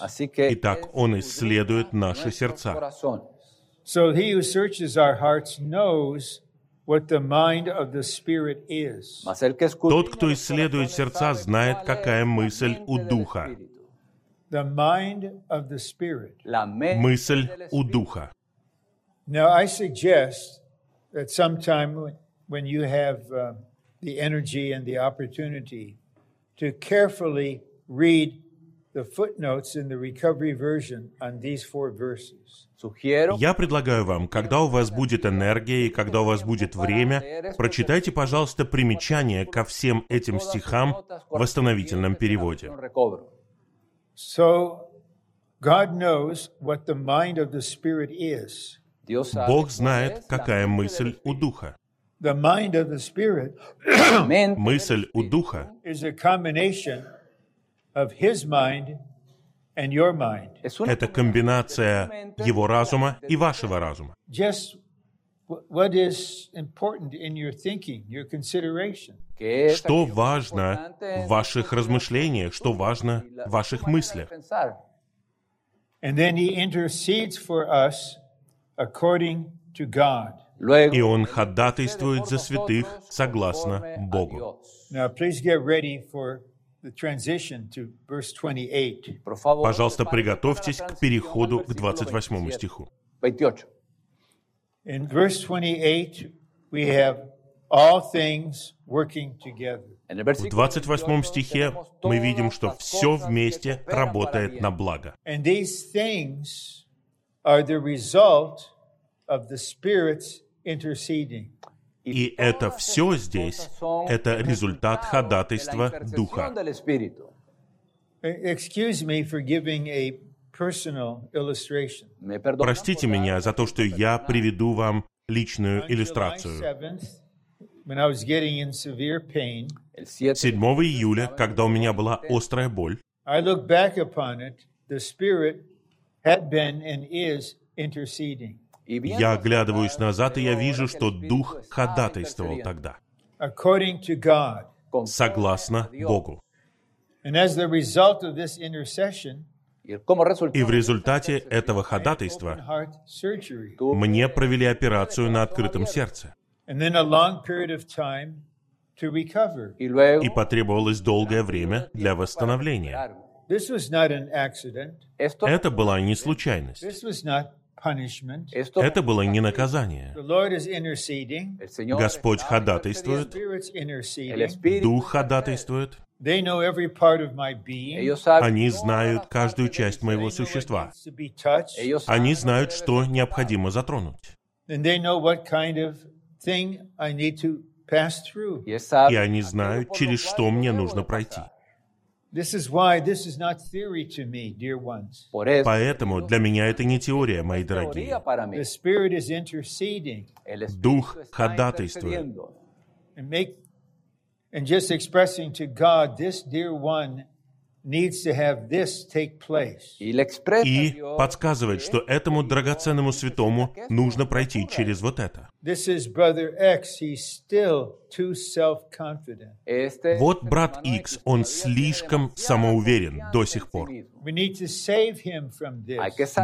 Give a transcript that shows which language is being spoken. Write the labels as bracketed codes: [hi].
[ru] Итак, Он исследует наши сердца. [en] So he who searches our hearts knows what the mind of the Spirit is. [ru] Тот, кто исследует сердца, знает, какая мысль у Духа. [en] The mind of the Spirit. [ru] Мысль у Духа. [en] Now I suggest that sometime when you have the energy and the opportunity to carefully read the footnotes in the recovery version on these four verses. [ru] Я предлагаю вам, когда у вас будет энергия и когда у вас будет время, прочитайте, пожалуйста, примечания ко всем этим стихам в восстановительном переводе. [en] So, God knows what the mind of the Spirit is. [ru] Бог знает, какая мысль у Духа. [en] The mind of the Spirit, [ru] мысль у Духа, [en] is a combination of His mind and your mind. [ru] Это комбинация Его разума и вашего разума. [en] Just what is important in your thinking, your consideration. [ru] Что важно в ваших размышлениях, что важно в ваших мыслях. [en] And then He intercedes for us according to God. [ru] И Он ходатайствует за святых согласно Богу. [en] Now, please get ready for the transition to verse 28. [ru] Пожалуйста, приготовьтесь к переходу к 28 стиху. [en] In verse 28, we have all things working together. [ru] В 28 стихе мы видим, что все вместе работает на благо. [en] And these things are the result of the Spirit's interceding. [ru] И это все здесь — это результат ходатайства Духа. [en] Excuse me for giving a personal illustration. [ru] Простите меня за то, что я приведу вам личную иллюстрацию. 7 июля, когда у меня была острая боль, [en] I look back upon it, the Spirit had been and is interceding. [ru] Я оглядываюсь назад, и я вижу, что Дух ходатайствовал тогда. [en] According to God. [ru] Согласно Богу. [en] And as the result of this intercession, [ru] и в результате этого ходатайства мне провели операцию на открытом сердце. [en] And then a long period of time to recover. [ru] И потребовалось долгое время для восстановления. [en] This was not an accident. [ru] Это была не случайность. [en] This was not punishment. [ru] Это было не наказание. [en] The Lord is interceding. [ru] Господь ходатайствует. Дух ходатайствует. [en] They know every part of my being. [ru] Они знают каждую часть моего существа. Они знают, что необходимо затронуть. [en] And they know what kind of thing I need to pass through. [ru] И они знают, через что мне нужно пройти. [en] This is why this is not theory to me, dear ones. [ru] Поэтому для меня это не теория, мои дорогие. [en] The Spirit is interceding. [ru] Дух ходатайствует. [en] And just expressing to God, this dear one needs to have this take place. [ru] И подсказывает, что этому драгоценному святому нужно пройти через вот это. [en] This is brother X. He's still too self-confident. [ru] Вот брат X, он слишком самоуверен до сих пор. [en] We need to save him from this.